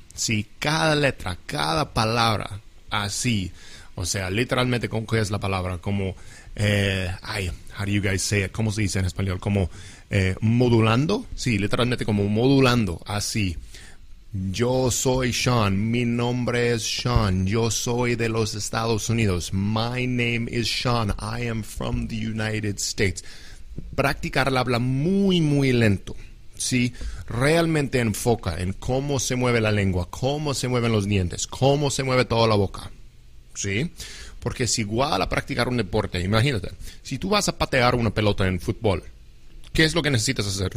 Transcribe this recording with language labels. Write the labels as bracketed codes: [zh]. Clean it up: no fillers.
[es] Sí, cada letra, cada palabra, así, o sea, literalmente, ¿cómo es la palabra? Como, [en] how do you guys say it? [es] ¿Cómo se dice en español? Como modulando, sí, literalmente como modulando, así. Yo soy Sean, mi nombre es Sean, yo soy de los Estados Unidos. [en] My name is Sean, I am from the United States. [es] Practicar el habla muy, muy lento. Sí, realmente enfoca en cómo se mueve la lengua, cómo se mueven los dientes, cómo se mueve toda la boca. Sí, porque es igual a practicar un deporte. Imagínate, si tú vas a patear una pelota en fútbol, ¿qué es lo que necesitas hacer?